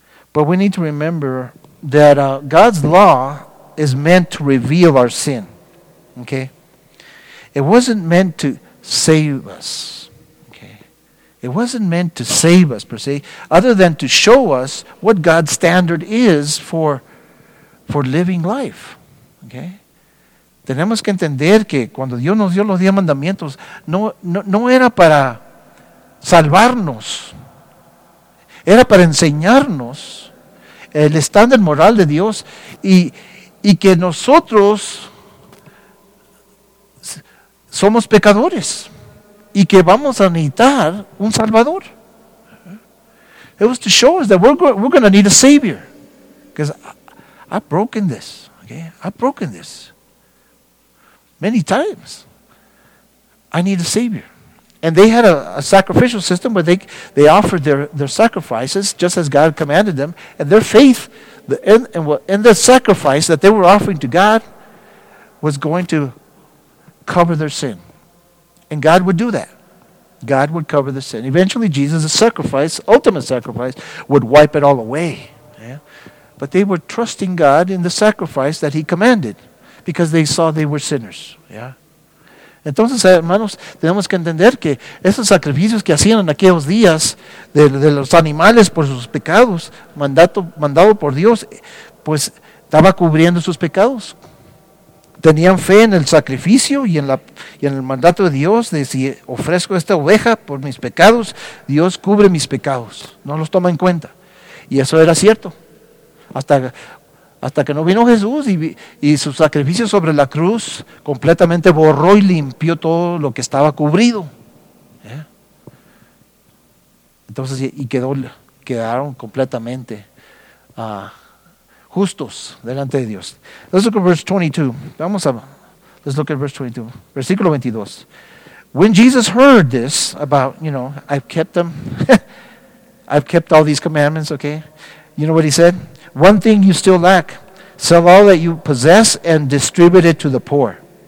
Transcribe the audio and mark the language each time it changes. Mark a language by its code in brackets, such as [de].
[en] But we need to remember that God's law is meant to reveal our sin. Okay? It wasn't meant to save us. Okay? It wasn't meant to save us, per se, other than to show us what God's standard is for living life. Okay? [es] Tenemos que entender que cuando Dios nos dio los 10 mandamientos, no era para salvarnos. Era para enseñarnos el estándar moral de Dios y que nosotros somos pecadores y que vamos a necesitar un salvador. [en] It was to show us that we're going to need a savior. Because I've broken this. Okay? I've broken this. Many times, I need a savior. And they had a sacrificial system where they offered their sacrifices just as God commanded them. And their faith in the sacrifice that they were offering to God was going to cover their sin. And God would do that. God would cover the sin. Eventually, Jesus' sacrifice, ultimate sacrifice, would wipe it all away. Yeah? But they were trusting God in the sacrifice that he commanded. Because they saw they were sinners. Yeah. [es] Entonces, hermanos, tenemos que entender que esos sacrificios que hacían en aquellos días de los animales por sus pecados, mandado por Dios, pues estaba cubriendo sus pecados. Tenían fe en el sacrificio y en el mandato de Dios de si ofrezco esta oveja por mis pecados, Dios cubre mis pecados. No los toma en cuenta. Y eso era cierto. Hasta que no vino Jesús y su sacrificio sobre la cruz completamente borró y limpió todo lo que estaba cubrido. ¿Eh? Entonces, y quedaron completamente justos delante de Dios. [en] Let's look at verse 22. Let's look at verse 22. [es] Versículo 22. [en] When Jesus heard this about, you know, I've kept them. I've kept all these commandments, okay? You know what he said? One thing you still lack. Sell all that you possess and distribute it to the poor.